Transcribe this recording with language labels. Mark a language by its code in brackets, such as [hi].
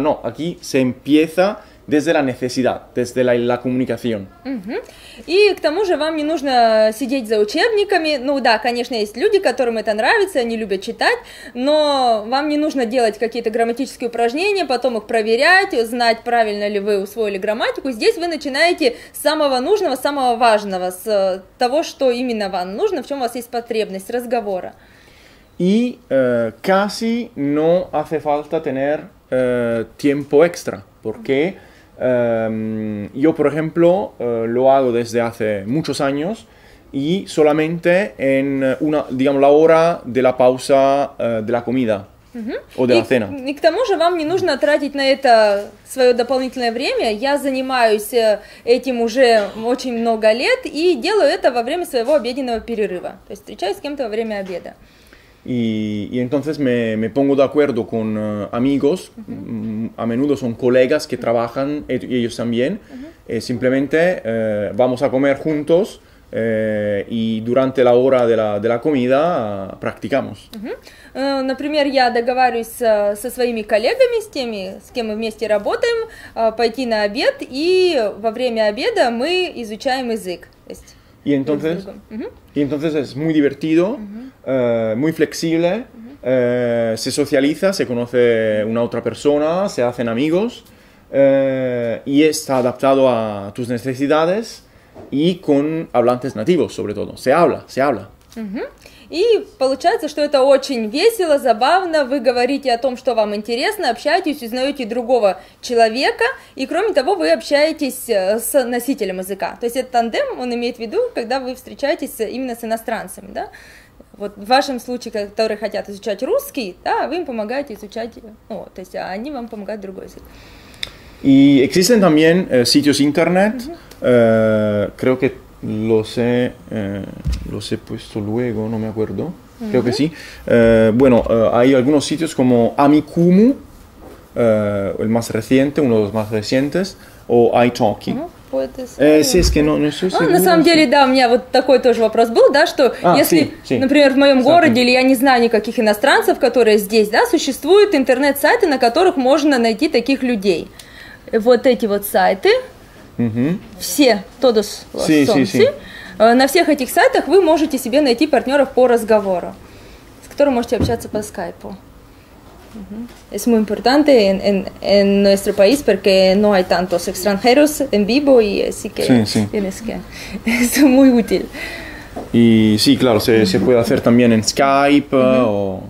[es] No, aquí se empieza desde la necesidad, desde la comunicación. [ru] И к тому же вам не нужно сидеть за учебниками. Ну да, конечно, есть люди, которым это нравится, они любят читать, но вам не нужно делать какие-то грамматические упражнения, потом их проверять, знать, правильно ли вы усвоили грамматику. Здесь вы начинаете с самого нужного, самого важного, с того, что именно вам нужно, в чем у вас есть потребность разговора. И [es] casi no hace falta tener tiempo extra, porque yo, por ejemplo, lo hago desde hace muchos años y solamente en una, digamos, la hora de la pausa de la comida o de la cena. [ru] И к тому же вам не нужно тратить на это свое дополнительное время. Я занимаюсь этим уже очень много лет и делаю это во время своего обеденного перерыва. То есть встречаюсь с кем-то во время обеда. [es] Y entonces me pongo de acuerdo con amigos, a menudo son colegas que trabajan y ellos también, simplemente vamos a comer juntos y durante la hora de la comida practicamos. [ru] Например, я договариваюсь со своими коллегами, с теми, с кем мы вместе работаем, пойти на обед, и во время обеда мы изучаем язык. [es] Y entonces, es muy divertido, muy flexible, se socializa, se conoce una otra persona, se hacen amigos, y está adaptado a tus necesidades y con hablantes nativos, sobre todo. Se habla. [ru] И получается, что это очень весело, забавно, вы говорите о том, что вам интересно, общаетесь, узнаете другого человека, и кроме того, вы общаетесь с носителем языка. То есть этот тандем, он имеет в виду, когда вы встречаетесь именно с иностранцами, да? Вот в вашем случае, которые хотят изучать русский, да, вы им помогаете изучать, ну, то есть они вам помогают другой язык. И [es] existen también sitios internet, creo que... Los he puesto luego, no me acuerdo. Creo que sí. Bueno, hay algunos sitios como Amikumu, el más reciente, uno de los más recientes, o iTalki. [ru] На самом деле, да, у меня вот такой тоже вопрос был, да, что например, в моем городе, или я не знаю никаких иностранцев, которые здесь, да, существуют интернет-сайты, на которых можно найти таких людей. Вот эти вот сайты, все, [es] todos los somos, [ru] на всех этих сайтах вы можете себе найти партнеров по разговору, с которым можете общаться по скайпу. [es] Es muy importante en nuestro país porque no hay tantos extranjeros en vivo y así que tienes que, es muy útil. Y sí, claro, se puede hacer también en Skype o...